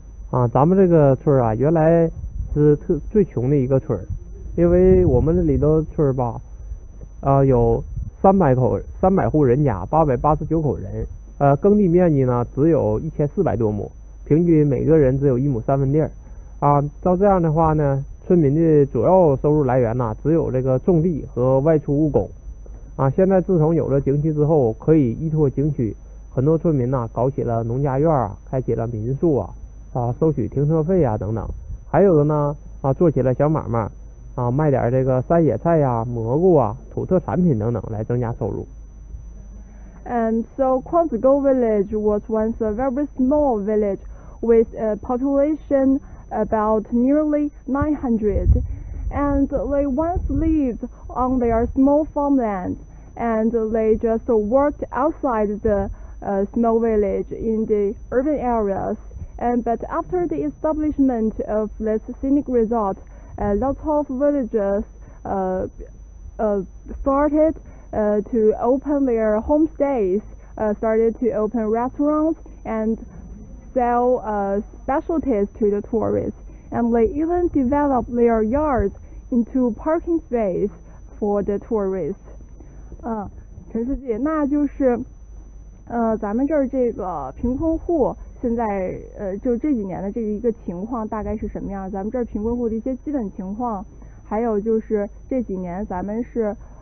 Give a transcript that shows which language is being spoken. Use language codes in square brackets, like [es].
[zh] 啊，咱们这个村啊，原来是最穷的一个村，因为我们这里的村吧，有300户人家，889口人，耕地面积呢只有1400多亩，平均每个人只有1亩3分地儿，啊，照这样的话呢，村民的主要收入来源呢只有这个种地和外出务工，啊，现在自从有了景区之后，可以依托景区。很多村民呢，搞起了农家院啊，开启了民宿啊，啊，收取停车费啊等等，还有的呢，啊，做起了小买卖，啊，卖点这个山野菜呀、蘑菇啊、土特产品等等，来增加收入。 [en] And so Qingyuan Village was once a very small village with a population about nearly 900, and they once lived on their small farmland, and they just worked outside the. A small village in the urban areas, but after the establishment of this scenic resort, lots of villagers started to open their homestays, started to open restaurants and sell specialties to the tourists, and they even developed their yards into parking space for the tourists. [zh] 陈书记，那就是。咱们这儿这个贫困户现在就这几年的这个一个情况大概是什么样？咱们这儿贫困户的一些基本情况，还有就是这几年咱们是